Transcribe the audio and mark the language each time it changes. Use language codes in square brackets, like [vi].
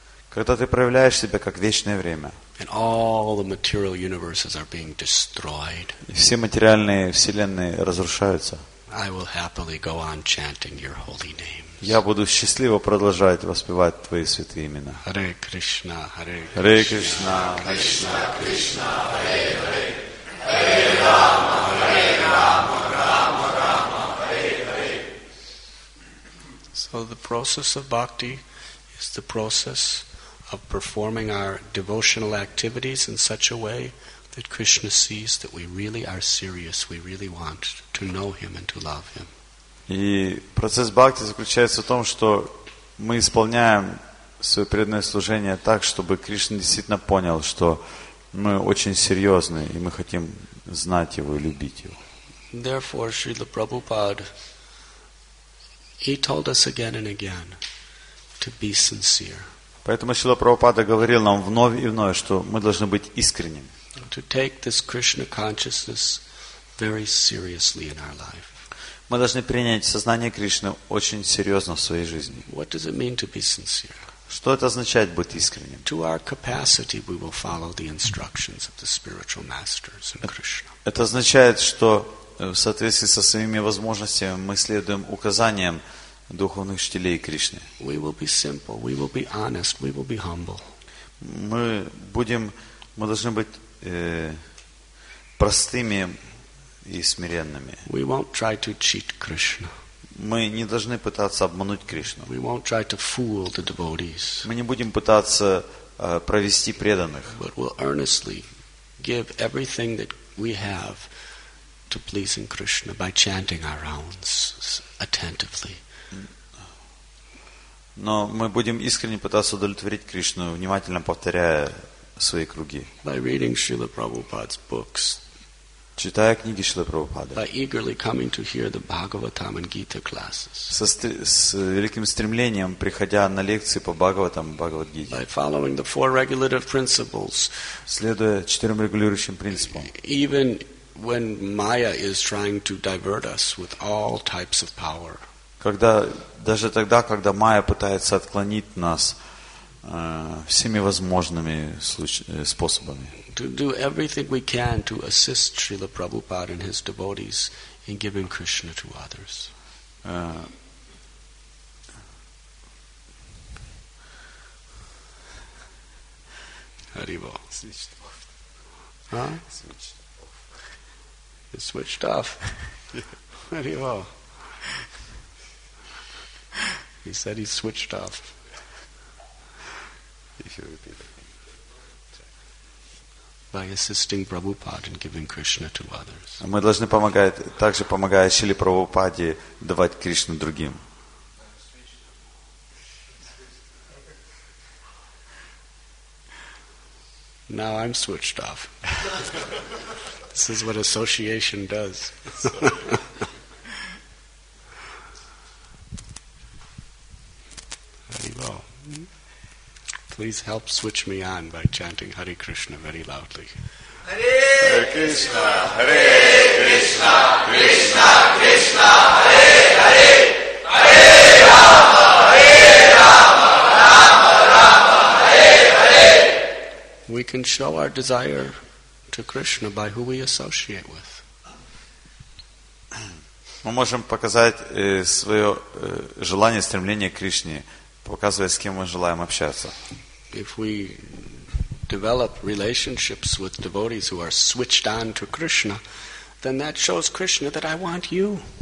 [ru] Когда ты проявляешь себя как вечное время. [en] And all the material universes are being destroyed. [ru] Все материальные вселенные разрушаются. [en] I will happily go on chanting your holy names. [ru] Я буду счастливо продолжать воспевать твои святые имена. [sa] Hare Krishna, Hare Krishna. Hare Krishna, Krishna, Krishna, Hare Hare. Hare Rama, Hare Rama, Rama Rama, Hare Hare. [en] So the process of bhakti is the process of performing our devotional activities in such a way that Krishna sees that we really are serious, we really want to know him and to love him. [ru] И процесс бхакти заключается в том, что мы исполняем свое преданное служение так, чтобы Кришна действительно понял, что мы очень серьезны, и мы хотим знать его и любить его. [en] Therefore, Srila Prabhupada, he told us again and again to be sincere. [ru] Поэтому Шрила Прабхупада говорил нам вновь и вновь, что мы должны быть искренними. [en] To take this Krishna consciousness very seriously in our life. [ru] Мы должны принять сознание Кришны очень серьезно в своей жизни. [en] What does it mean to be sincere? [ru] Что это означает быть искренним? [en] To our capacity, we will follow the instructions of the spiritual masters in Krishna. [ru] Это означает, что в соответствии со своими возможностями мы следуем указаниям духовных учителей Кришны. [en] We will be simple. We will be honest. We will be humble. [ru] Мы должны быть простыми и смиренными. [en] We won't try to cheat Krishna. [ru] Мы не должны пытаться обмануть Кришну. [en] We won't try to fool the devotees. [ru] Мы не будем пытаться провести преданных. [en] But we'll earnestly give everything that we have to pleasing Krishna by chanting our rounds attentively. [ru] Но мы будем искренне пытаться удовлетворить Кришну, внимательно повторяя свои круги. [en] By reading Srila Prabhupada's books. [ru] Читая книги Шрилы Прабхупады. [en] By eagerly coming to hear the Bhagavatam and Gita classes. [ru] С великим стремлением приходя на лекции по Бхагаватам и Бхагавад-гите. [en] By following the four regulative principles. [ru] Следуя четырем регулирующим принципам. [en] Even when Maya is trying to divert us with all types of power. [ru] Когда Майя пытается отклонить нас всеми возможными способами. [en] To do everything we can to assist Srila Prabhupada and his devotees in giving Krishna to others. Haribo. Switched off. It switched off. Haribo. He said he switched off. By assisting Prabhupada and giving Krishna to others. [ru] Мы должны помогать, также помогая Шриле Прабхупаде давать Кришну другим. [en] Mm-hmm. Now I'm switched off. This is what association does. Hare Bol. Please help switch me on by chanting Hare Krishna very loudly. [sa] Hare Krishna, Krishna, Krishna, Hare Hare, Hare Rama, Hare Rama, Rama Rama, Hare Hare. [en] We can show our desire to Krishna by who we associate with. [ru] Мы можем показать свое желание, стремление к Кришне, показывая, с кем мы желаем общаться. [en] If we develop relationships with devotees who are switched on to Krishna, then that shows Krishna that I want you.